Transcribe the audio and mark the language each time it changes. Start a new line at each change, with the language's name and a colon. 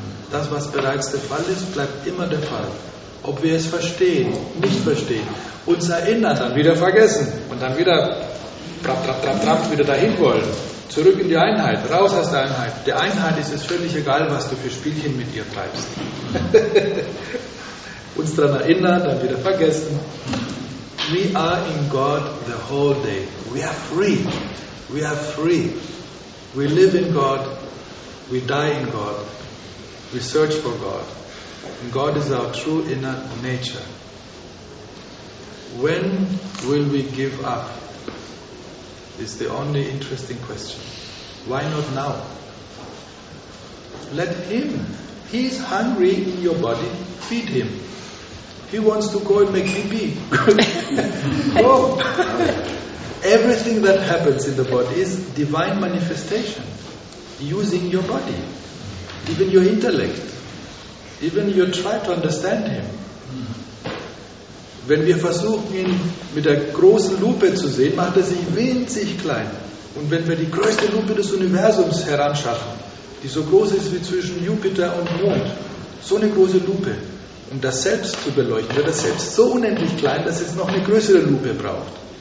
German: Das, was bereits der Fall ist, bleibt immer der Fall. Ob wir es verstehen, nicht verstehen, uns erinnern, dann wieder vergessen und dann wieder trapp, trapp, trapp, trapp, wieder dahin wollen. Zurück in die Einheit, raus aus der Einheit. Der Einheit ist es völlig egal, was du für Spielchen mit ihr treibst. Uns daran erinnern, dann wieder vergessen.
English: We are in God the whole day. We are free. We are free. We live in God. We die in God. We search for God. And God is our true inner nature. When will we give up? is the only interesting question. Why not now? Let him. He's hungry in your body. Feed him. He wants to go and make pee. Go. Everything that happens in the body is divine manifestation using your body, even your intellect, even you try to understand him.
German: Wenn wir versuchen, ihn mit der großen Lupe zu sehen, macht sich winzig klein. Und wenn wir die größte Lupe des Universums heranschaffen, die so groß ist wie zwischen Jupiter und Mond, so eine große Lupe, um das Selbst zu beleuchten, wird das Selbst so unendlich klein, dass es noch eine größere Lupe braucht.